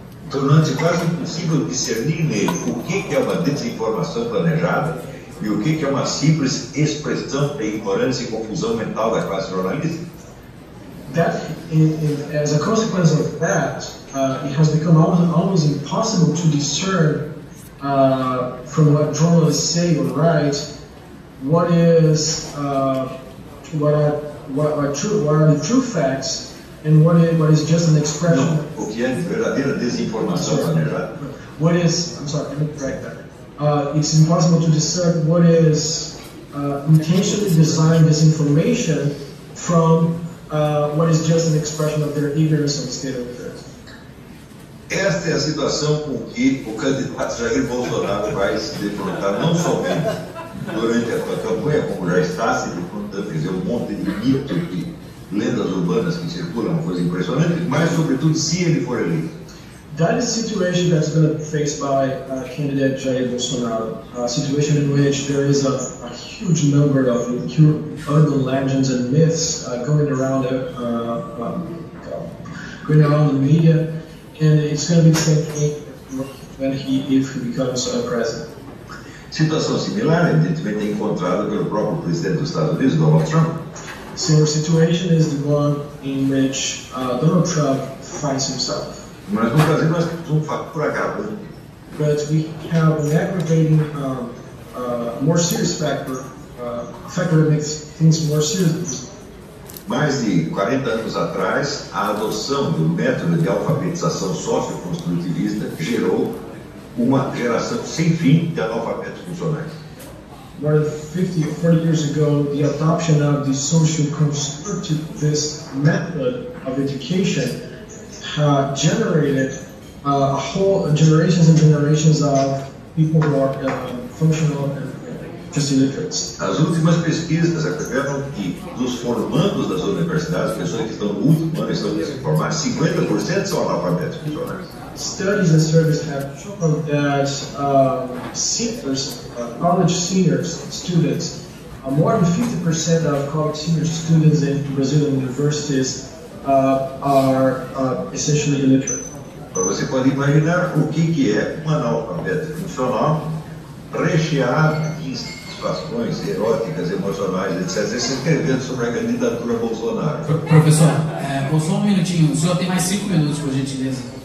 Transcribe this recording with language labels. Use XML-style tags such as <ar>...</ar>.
<pt>Tornando-se quase impossível discernir nele o que é uma desinformação planejada e o que é uma simples expressão de ignorância e confusão mental da classe jornalística.</pt> <en>That, as a consequence of that, it has become almost impossible to discern from what journalists say or write what is what are the true facts and what is just an expression.</en> <pt>O que é verdadeira desinformação planejada?</pt> <en>What is? I'm sorry. Let me write that. It's impossible to discern what is intentionally designed disinformation from what is just an expression of their ignorance and state of affairs.</en> <pt>Esta é a situação com que o candidato Jair Bolsonaro vai se defrontar, não somente durante a sua campanha, como já está se defrontando, quer dizer, um monte de mito e lendas urbanas que circulam, uma coisa impressionante, mas sobretudo se ele for eleito.</pt> <en>That is a situation that's going to be faced by candidate Jair Bolsonaro, a situation in which there is a huge number of urban legends and myths going around the media, and it's going to be the same thing if he becomes president.</en> <pt>Situação similar, evidentemente, encontrada pelo próprio presidente dos Estados Unidos, Donald Trump.</pt> <en>Similar situation is the one in which Donald Trump finds himself.</en> <pt>Mas no Brasil nós temos um fator agravante.</pt> <en>But we have an aggravating, more serious factor, a factor that makes things more serious.</en> <pt>Mais de 40 anos atrás, a adoção do método de alfabetização socioconstrutivista gerou uma geração sem fim de analfabetos funcionais.</pt> <en>More than 50 or 40 years ago, the adoption of the socioconstructivist method of education generations of people who are functional and just illiterate.</en> <pt>As últimas pesquisas revelam que dos formandos das universidades, pessoas que estão no último ano estão desinformadas, 50% são analfabetos funcionais.</pt> <en>Studies and surveys have shown that college seniors, students, more than 50% of college senior students in Brazilian universities are essentially illiterate.</en> <pt>Então você pode imaginar o que é um analfabeto funcional recheado de situações eróticas, emocionais, etc. Você escrevendo sobre a candidatura Bolsonaro. Professor, só um minutinho. O senhor tem mais 5 minutos, por gentileza.</pt>